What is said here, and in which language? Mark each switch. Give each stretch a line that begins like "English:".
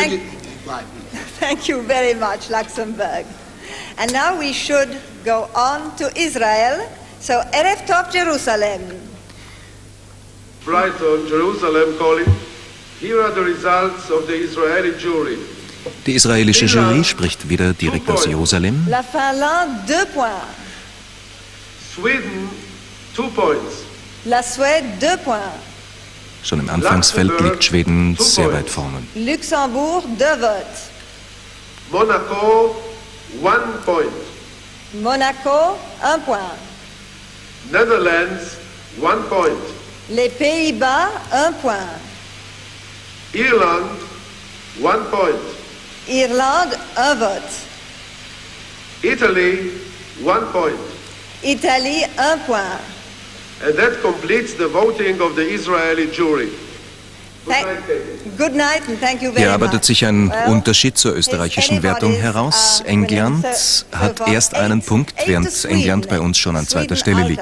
English: Thank you very much, Luxembourg. And now we should go on to Israel. So,
Hebrew: Erev Tov
English: Jerusalem. Brighton, Jerusalem calling. Here are the results of the Israeli jury.
German: Die israelische Jury spricht wieder direkt aus Jerusalem.
French: La Finlande, 2 points.
English: Sweden, 2 points.
French: La Suède, 2 points.
German: Schon im Anfangsfeld liegt Schweden sehr weit vorne.
English: Luxembourg, 2 votes. Monaco, 1 point.
French: Monaco, 1 point.
English: Netherlands, 1 point.
French: Les Pays-Bas, 1 point. Irlande, 1 point. Irlande, 1 vote.
English: Italy, 1 point.
French: Italie, 1 point.
English: And that completes the voting of the Israeli jury. Good night and thank you very much.
German: Hier arbeitet sich ein Unterschied zur österreichischen Wertung heraus. England hat erst einen Punkt, während England bei uns schon an zweiter Stelle liegt.